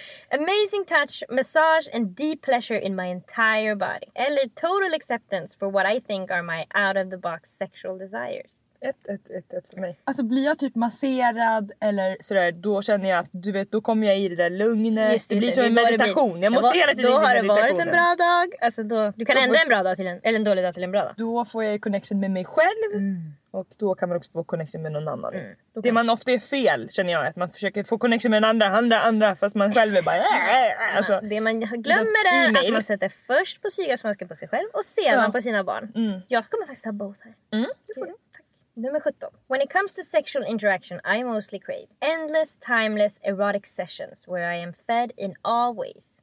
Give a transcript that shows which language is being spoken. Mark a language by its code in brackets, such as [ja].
[en] Amazing touch, massage and deep pleasure in my entire body. Eller total acceptance for what I think are my out-of-the-box sexual desires. [sv] Ett för mig. Alltså blir jag typ masserad eller sådär, då känner jag att du vet, då kommer jag i det där lugnet. Just det blir som en meditation. Jag måste hela tiden då har det varit en bra dag. Alltså då, du kan då ändra en bra dag till en, eller en dålig dag till en bra dag. Då får jag connection med mig själv. Mm. Och då kan man också få connection med någon annan. Mm. Det man ofta är fel, känner jag, att man försöker få connection med den andra, fast man själv är bara alltså, det man glömmer är e-mail. Att man sätter först på syrgasmasken på sig själv och sedan på sina barn. Mm. Jag kommer faktiskt ha both här. Mm. Det får du. Nummer 17. [en] When it comes to sexual interaction, I mostly crave endless, timeless, erotic sessions where I am fed in all ways.